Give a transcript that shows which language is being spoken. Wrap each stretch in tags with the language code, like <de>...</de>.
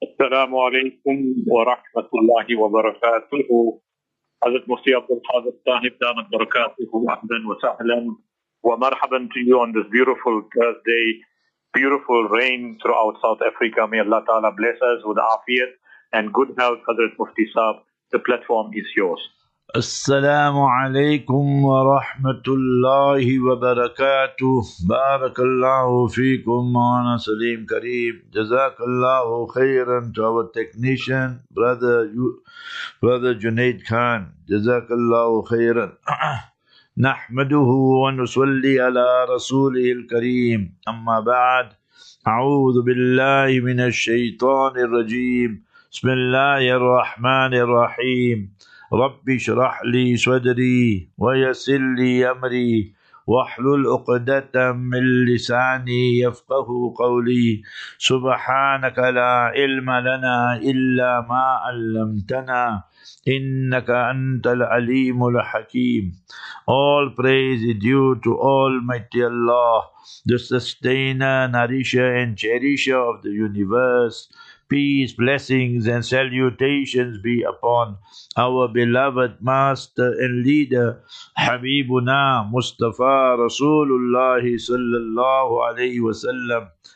<ar>السلام عليكم ورحمة الله وبركاته. هذا المسيء هذا الطاهب دامت بركاته أهلا وسهلا ومرحبا</ar> <en>to you on this beautiful Thursday, beautiful rain throughout South Africa. May Allah Ta'ala bless us with afiyat and good health. Hazrat Mufti Sahab, the platform is yours.</en> <ar>السلام عليكم ورحمة الله وبركاته. بارك الله فيكم معنا سليم كريم. جزاك الله خيرا</ar> <en>to our technician brother Junaid Khan.</en> <ar>جزاك الله خيرا. نحمده ونصلي على رسوله الكريم. أما بعد، أعوذ بالله من الشيطان الرجيم. بسم الله الرحمن الرحيم. رب اشرح لي صدري ويسر لي أمري واحلل عقدة من لساني يفقه قولي سبحانك لا علم لنا إلا ما علمتنا إنك أنت العليم الحكيم.</ar> <en>All praise is due to Almighty Allah, the sustainer, nourisher and cherisher of the universe. Peace, blessings, and salutations be upon our beloved master and leader, Habibuna Mustafa Rasulullah sallallahu alayhi wa sallam.</en>